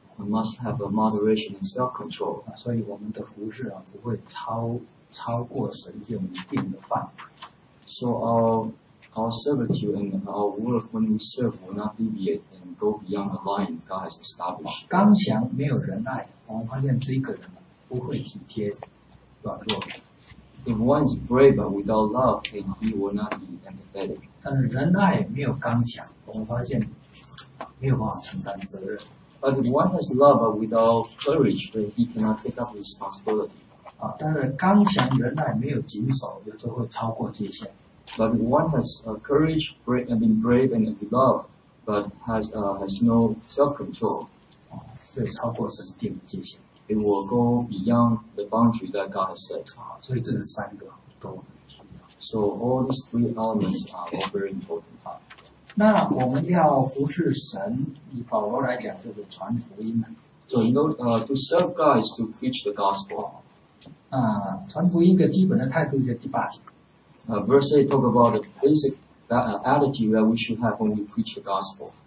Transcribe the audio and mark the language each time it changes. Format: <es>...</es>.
<en>He must have a moderation and self-control.</en> <zh>所以我们的服事啊，不会超过神给我们定的范围。</zh> <en>So our servitude and our work when we serve will not deviate and go beyond the line God has established.</en> <zh>刚强没有仁爱，我们发现这个人不会体贴软弱。</zh> <en>If one is brave but without love, then he will not be empathetic.</en> <zh>但是仁爱没有刚强，我们发现没有办法承担责任。</zh> <en>But if one has love but without courage, then he cannot take up responsibility.</en> <zh>啊，但是刚强仁爱没有谨守，有时候会超过界限。</zh> <en>But if one has courage, brave, and been brave and love, but has no self-control.</en> <zh>啊，会超过神定的界限。</zh> <en>It will go beyond the boundary that God has set.</en> <zh>所以这三个都很重要。</zh> <en>So all these three elements are all very important.</en> <zh>那我们要服侍神，以保罗来讲就是传福音嘛。</zh> <en>So you know, to serve God is to preach the gospel.</en> <zh>传福音的基本的态度就是第八节。</zh> <en>Verse 8 talk about the basic attitude that we should have when we preach the gospel.</en>